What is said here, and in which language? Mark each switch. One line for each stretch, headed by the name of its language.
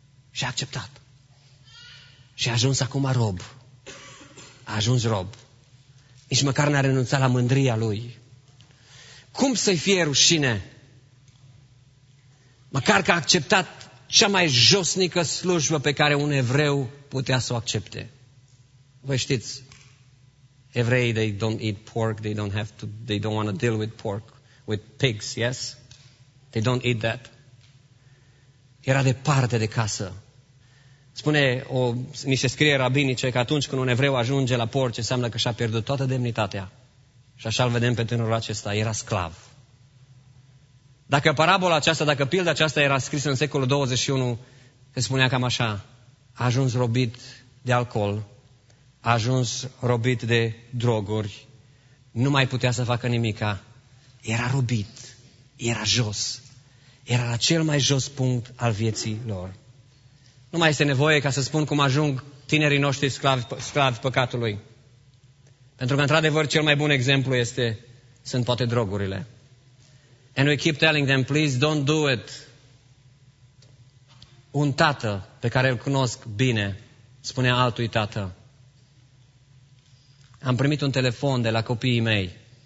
Romanian: Și a acceptat. Și a ajuns acum rob. A ajuns rob. Nici măcar n-a renunțat la mândria lui. Cum să-i fie rușine? Măcar că a acceptat cea mai josnică slujbă pe care un evreu putea să o accepte. Voi știți, evrei,
English: they don't eat pork, they don't want to deal with pork, with pigs, yes? They don't eat that.
Romanian: Era departe de casă. Spune, ni se scrie rabinice, că atunci când un evreu ajunge la porci, înseamnă că și-a pierdut toată demnitatea. Și așa îl vedem pe tânărul acesta, era sclav. Dacă parabola aceasta, dacă pilda aceasta era scrisă în secolul 21, se spunea cam așa, a ajuns robit de alcool, a ajuns robit de droguri, nu mai putea să facă nimica, era robit, era jos, era la cel mai jos punct al vieții lor. Nu mai este nevoie ca să spun cum ajung tinerii noștri sclavi păcatului. Pentru că, într-adevăr, cel mai bun exemplu sunt poate drogurile.
English: And we keep telling them, please don't do it.
Romanian: Un tată pe care îl cunosc bine spune altui tată, am primit un telefon de la copiii mei.